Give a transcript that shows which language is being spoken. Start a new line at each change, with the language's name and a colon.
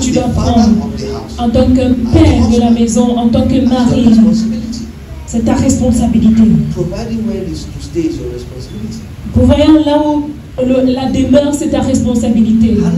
French: tu dois prendre en tant que père de la maison, en tant que mari. C'est ta responsabilité.
English: Providing where is to stay is your responsibility.
French: Pourvoyant là où la demeure, c'est ta responsabilité.